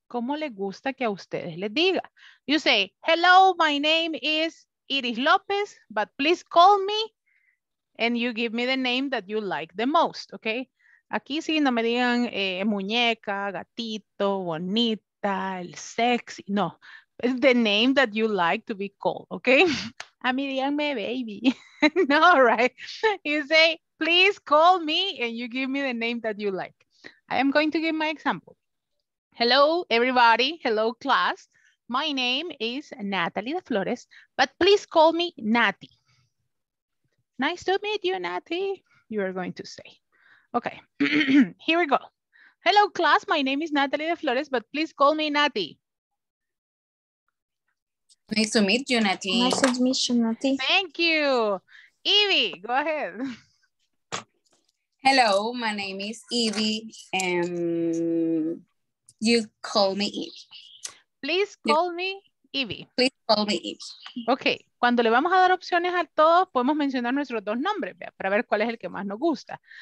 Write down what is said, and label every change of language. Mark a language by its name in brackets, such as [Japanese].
[Spanish] ¿Cómo le gusta que a ustedes les diga? [English] You say, hello, my name is Iris Lopez, but please call me. And you give me the name that you like the most, okay? [Spanish] Aquí sí, no me digan muñeca, gatito, bonita, el sexy. [English] No, it's the name that you like to be called, okay? [Spanish] A mí díganme baby. No, [English] right? You say, please call me and you give me the name that you like. I am going to give my example. Hello, everybody. Hello, class. My name is Natalie de Flores, but please call me Nati. Nice to meet you, Nati, you are going to say. Okay, here we go. Hello, class. My name is Natalie de Flores, but please call me Nati. Nice to meet you, Nati. Nice to meet you, Nati. Thank you. Evie, go ahead. Hello, my name is Evie, and you call me Evie. Please call me Evie. Please call me Evie. [Spanish] Okay, cuando le vamos a dar opciones a todos, podemos mencionar nuestros dos nombres, ¿vea? Para ver cuál es el que más nos gusta.